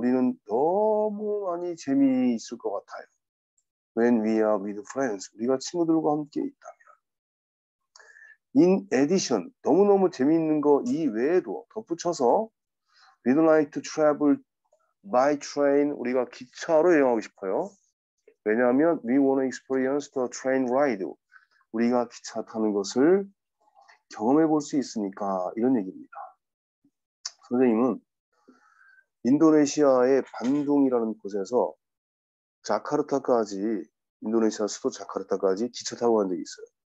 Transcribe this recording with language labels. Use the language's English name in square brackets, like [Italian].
[Korean] 우리는 너무 많이 재미있을 것 같아요. [English] When we are with friends. [Korean] 우리가 친구들과 함께 있다면. [English] In addition, [Korean] 너무너무 재미있는 거 이외에도 덧붙여서 [English] We'd like to travel by train. [Korean] 우리가 기차로 여행하고 싶어요. 왜냐하면 [English] We want to experience the train ride. [Korean] 우리가 기차 타는 것을 경험해 볼 수 있으니까 이런 얘기입니다. 선생님은 인도네시아의 반둥이라는 곳에서 자카르타까지 인도네시아 수도 자카르타까지 기차 타고 간 적이 있어요.